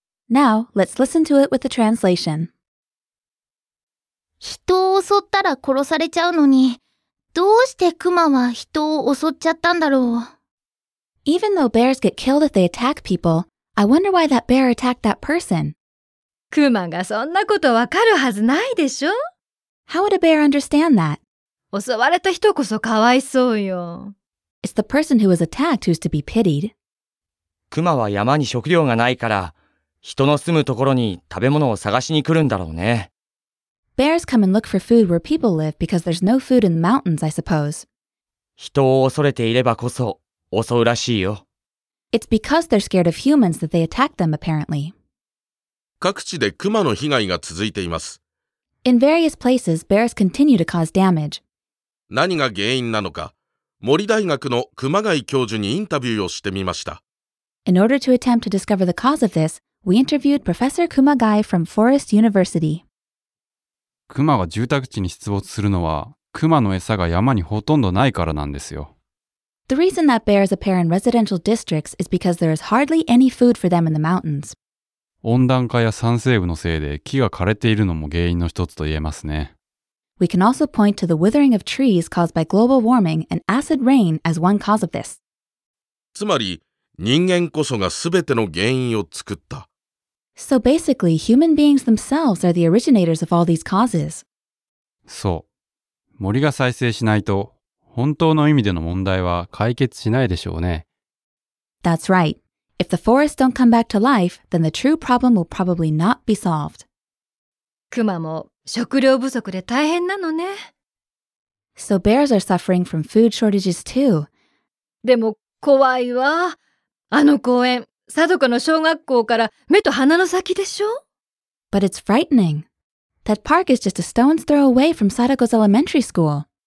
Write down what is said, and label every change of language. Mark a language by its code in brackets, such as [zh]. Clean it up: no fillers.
[en] Now, let's listen to it with the translation. [ja] 人を襲ったら殺されちゃうのに、どうしてクマは人を襲っちゃったんだろう。 [en] Even though bears get killed if they attack people, I wonder why that bear attacked that person. [ja] クマがそんなことわかるはずないでしょ。 [en] How would a bear understand that? [ja] 襲われた人こそかわいそうよ。 [en] It's the person who was attacked who's to be pitied. [ja] クマは山に食料がないから、人の住むところに食べ物を探しに来るんだろうね。 [en] Bears come and look for food where people live because there's no food in the mountains, I suppose. [ja] 人を恐れていればこそ襲うらしいよ。 [en] It's because they're scared of humans that they attack them, apparently. [ja] 各地でクマの被害が続いています。 [en] In various places, bears continue to cause damage. [ja] 何が原因なのか、森大学の熊谷教授にインタビューをしてみました。 [en] In order to attempt to discover the cause of this,We interviewed Professor Kumagai from Forest University. [ja] クマが住宅地に出没するのは、クマの餌が山にほとんどないからなんですよ。 [en] The reason that bears appear in residential districts is because there is hardly any food for them in the mountains. [ja] 温暖化や酸性雨のせいで木が枯れているのも原因の一つと言えますね。 [en] We can also point to the withering of trees caused by global warming and acid rain as one cause of this. [ja] つまり、人間こそがすべての原因を作った。 [en] So basically, human beings themselves are the originators of all these causes. [ja] そう。森が再生しないと、本当の意味での問題は解決しないでしょうね。 [en] That's right. If the forests don't come back to life, then the true problem will probably not be solved. [ja] クマも食料不足で大変なのね。 [en] So bears are suffering from food shortages too. [ja] でも怖いわ。あの公園、佐渡湖の小学校から目と鼻の先でしょ? [en] But it's frightening. That park is just a stone's throw away from Sadako's elementary school.